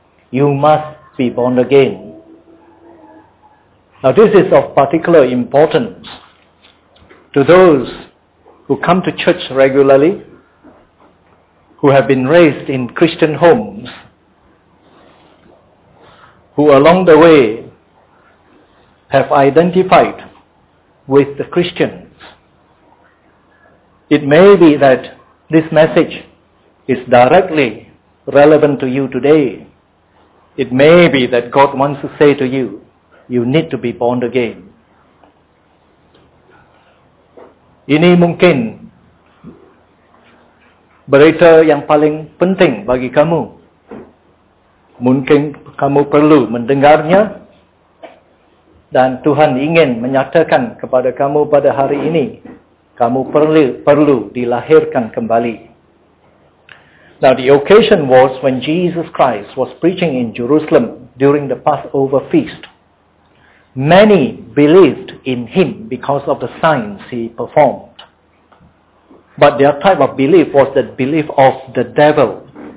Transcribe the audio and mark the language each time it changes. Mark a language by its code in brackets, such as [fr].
[en] You must be born again. Now, this is of particular importance to those who come to church regularly, who have been raised in Christian homes, who along the way have identified with the Christians. It may be that this message is directly relevant to you today. It may be that God wants to say to you, you need to be born again. [id] Ini mungkin berita yang paling penting bagi kamu. Mungkin kamu perlu mendengarnya dan Tuhan ingin menyatakan kepada kamu pada hari ini, kamu perlu dilahirkan kembali. [en] Now, the occasion was when Jesus Christ was preaching in Jerusalem during the Passover feast. Many believed in him because of the signs he performed. But their type of belief was the belief of the devil.